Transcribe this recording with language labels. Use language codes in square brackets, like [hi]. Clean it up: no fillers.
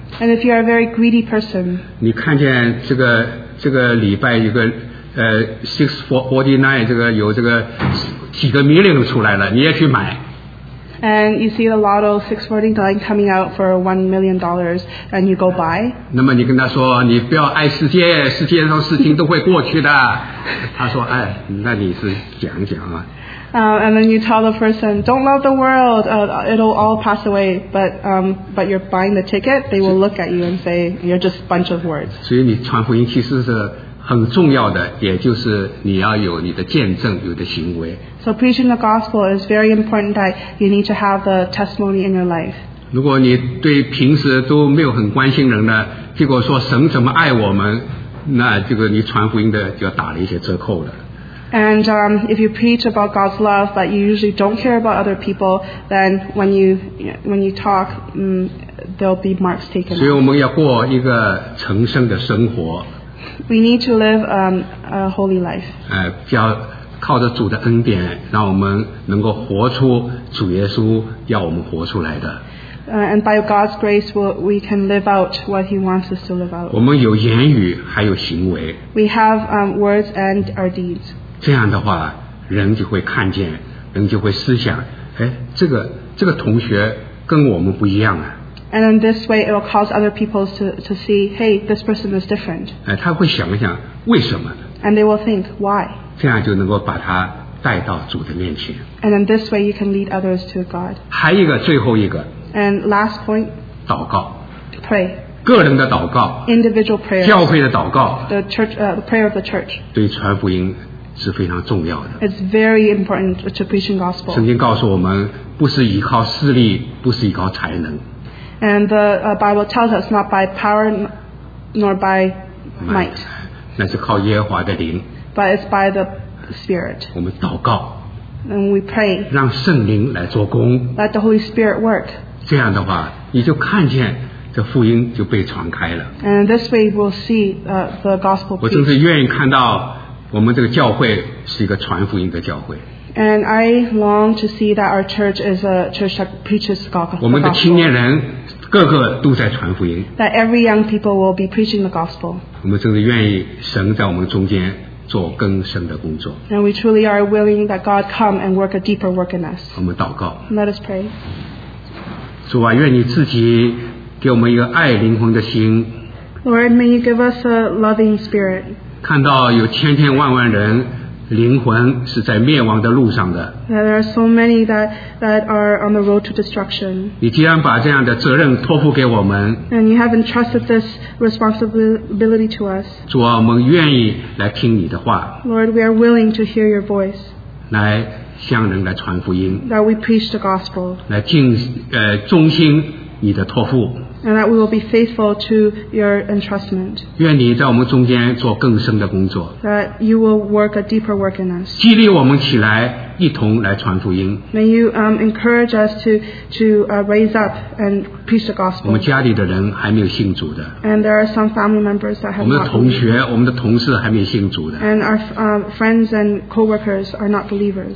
[en] and if you are a very greedy person, [zh] 你看见这个礼拜有个 649, 这个有这个几个 million 出来了, 你也去买。 [en] and you see the Lotto 649 coming out for $1 million, and you go buy. [zh] 那么你跟他说，你不要爱世界，世界上事情都会过去的。他说，哎，那你是讲讲啊。 [en] And then you tell the person, don't love the world, it'll all pass away, but you're buying the ticket, they will look at you and say, you're just a bunch of words. [zh] 所以你传福音其实是很重要的，也就是你要有你的见证，有的行为。 [en] So preaching the gospel is very important that you need to have the testimony in your life. [zh] 如果你对平时都没有很关心人呢，结果说神怎么爱我们，那这个你传福音的就要打了一些折扣了。 [en] And if you preach about God's love, but you usually don't care about other people, then when you talk, there'll be marks taken. [zh] 所以我们要过一个成圣的生活。 [en] We need to live a holy life. [zh] 要靠着主的恩典，让我们能够活出主耶稣要我们活出来的。 [en] And by God's grace, we can live out what He wants us to live out. [zh] 我们有言语，还有行为。 [en] We have words and our deeds. [zh] 这样的话，人就会看见，人就会思想，哎，这个同学跟我们不一样啊。 [en] And in this way, it will cause other people to see, hey, this person is different. [zh] 哎，他会想一想为什么。 [en] And they will think why. [zh] 这样就能够把他带到主的面前。 [en] And in this way, you can lead others to God. [zh] 还一个，最后一个。 [en] And last point. [zh] 祷告。 [en] Pray. [zh] 个人的祷告。 [en] Individual prayer. [zh] 教会的祷告。 [en] The church, the prayer of the church. [zh] 对传福音。是非常重要的。 [en] It's very important to preaching gospel. [zh] 圣经告诉我们，不是依靠势力，不是依靠才能。 [en] And the Bible tells us not by power nor by might. [zh] 那是靠耶和华的灵。 [en] But it's by the Spirit. [zh] 我们祷告。 [en] And we pray. [zh] 让圣灵来做工。 [en] Let the Holy Spirit work. [zh] 这样的话，你就看见这福音就被传开了。 [en] And this way we'll see the gospel. [zh] 我真是愿意看到。我们这个教会是一个传福音的教会。 [en] And I long to see that our church is a church that preaches the gospel. [zh] 我们的青年人个个都在传福音。 [en] That every young people will be preaching the gospel. [zh] 我们真的愿意神在我们中间做更深的工作。 [en] And we truly are willing that God come and work a deeper work in us. [zh] 我们祷告。 [en] Let us pray. [zh] 主啊，愿你自己给我们一个爱灵魂的心。 [en] Lord, may you give us a loving spirit. [zh] 看到有千千万万人灵魂是在灭亡的路上的。 [en] There are so many that are on the road to destruction. [zh] 你既然把这样的责任托付给我们。 [en] And you have entrusted this responsibility to us. [zh] 主啊，我们愿意来听你的话。 [en] Lord, we are willing to hear your voice. [zh] 来向人来传福音。 [en] That we preach the gospel. [zh] 来尽忠心你的托付。 [en] And that we will be faithful to your entrustment. [zh] 愿你在我们中间做更深的工作。 [en] That you will work a deeper work in us. [zh] 激励我们起来，一同来传福音。 [en] May you encourage us to raise up and preach the gospel. [zh] 我们家里的人还没有信主的。 [en] And there are some family members that have not. [zh] 我们的同学，我们的同事还没有信主的。 [en] And our friends and co-workers are not believers.